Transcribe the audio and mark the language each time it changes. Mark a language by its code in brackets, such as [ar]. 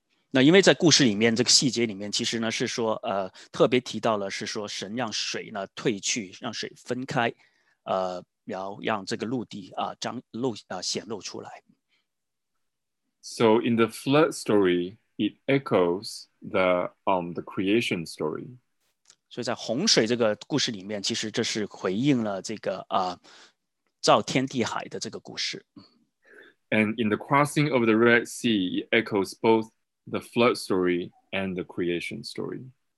[zh] 那因为在故事里面这个细节里面其实呢是说特别提到了是说神让水呢退去，让水分开然后让这个陆地显露出来。 [en] So in the flood story, it echoes the creation story. [zh] 所以在洪水这个故事里面，其实这是回应了这个造天地海的这个故事。 [en] And in the crossing of the Red Sea, it echoes both the flood story and the creation story.